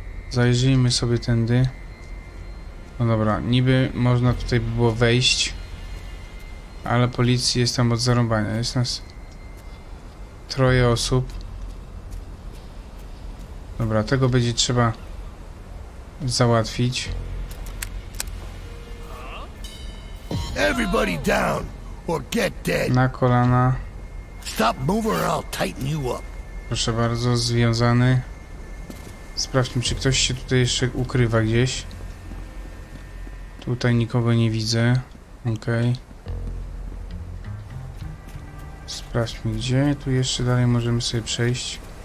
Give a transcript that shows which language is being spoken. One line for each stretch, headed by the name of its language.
Polish: Zajrzyjmy sobie tędy. No dobra, niby można tutaj było wejść, ale policji jest tam od zarąbania. Jest nas troje osób. Dobra, tego będzie trzeba załatwić.
English: Everybody down or get dead.
Polish: Na kolana.
English: Stop moving or I'll tighten you up.
Polish: Proszę bardzo, związany. Sprawdźmy, czy ktoś się tutaj jeszcze ukrywa gdzieś. Tutaj nikogo nie widzę. Okej. Sprawdźmy, gdzie tu jeszcze dalej możemy sobie przejść.